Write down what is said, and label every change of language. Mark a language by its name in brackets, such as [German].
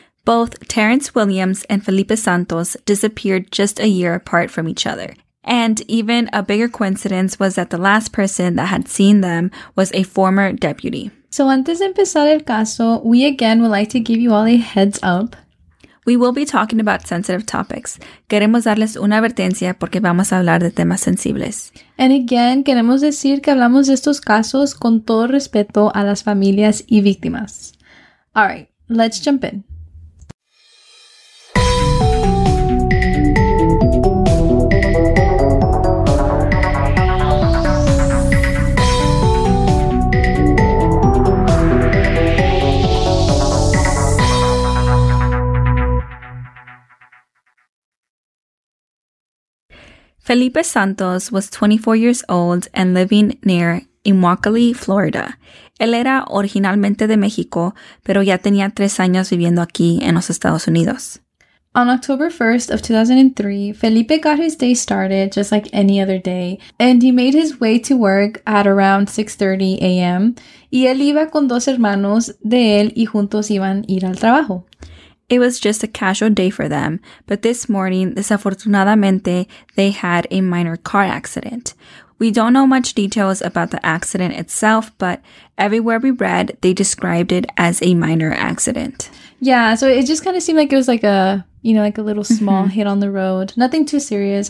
[English] Both Terrence Williams and Felipe Santos disappeared just a year apart from each other. And even a bigger coincidence was that the last person that had seen them was a former deputy. So [Spanish] antes de empezar el caso, [English] we again would like to give you all a heads up. We will be talking about sensitive topics. [Spanish] Queremos darles una advertencia porque vamos a hablar de temas sensibles. [English] And again, [Spanish] queremos decir que hablamos de estos casos con todo respeto a las familias y víctimas. [English] All right, let's jump in. Felipe Santos was 24 years old and living near Immokalee, Florida. [Spanish] Él era originalmente de México, pero ya tenía 3 años viviendo aquí en los Estados Unidos. [English] On October 1st of 2003, Felipe got his day started just like any other day, and he made his way to work at around 6:30 a.m. [Spanish] Y él iba con dos hermanos de él y juntos iban a ir al trabajo. [English] It was just a casual day for them, but this morning, desafortunadamente, they had a minor car accident. We don't know much details about the accident itself, but everywhere we read, they described it as a minor accident. Yeah, so it just kind of seemed like it was like a, you know, like a little small hit on the road. Nothing too serious.